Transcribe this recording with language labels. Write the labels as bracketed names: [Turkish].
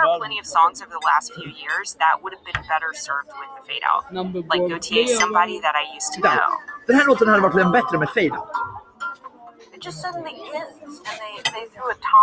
[English] are plenty of songs over the last few years that would have been better served with the fade out. Like Gautier's Somebody That I Used to Know. [Swedish] Den här låten hade varit bättre med fade out. [English] It just suddenly hits and they threw a tom.